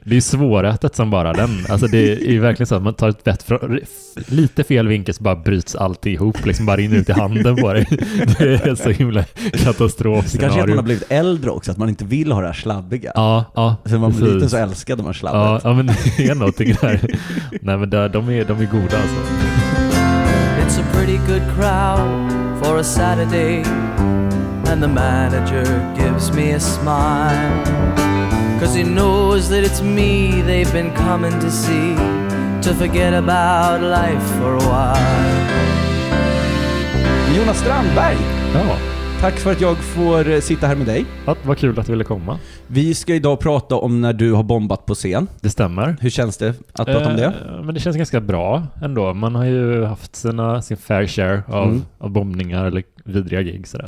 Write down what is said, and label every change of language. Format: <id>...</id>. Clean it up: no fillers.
<sv>Det är svårätet som bara den. Alltså det är verkligen så att man tar ett bett från lite fel vinkel så bara bryts allt ihop. Liksom bara in ut i handen på det. Det är så himla katastrofscenario. Det kanske är att man har blivit äldre också. Att man inte vill ha det här slabbiga. Ja, ja. Sen man blir lite så älskad de här slabbiga. Ja, men det är någonting där. Nej, men de är goda alltså.</sv> <en>It's a pretty good crowd for a Saturday. And the manager gives me a smile, 'cause he knows that it's me they've been coming to see, to forget about life for a while.</en> <sv>Jonas Strandberg! Ja. Tack för att jag får sitta här med dig. Ja, vad kul att du ville komma. Vi ska idag prata om när du har bombat på scen. Det stämmer. Hur känns det att prata om det? Men det känns ganska bra ändå. Man har ju haft sin</sv> <en>fair share</en> <sv>av bombningar eller vidriga gig. Sådär.</sv>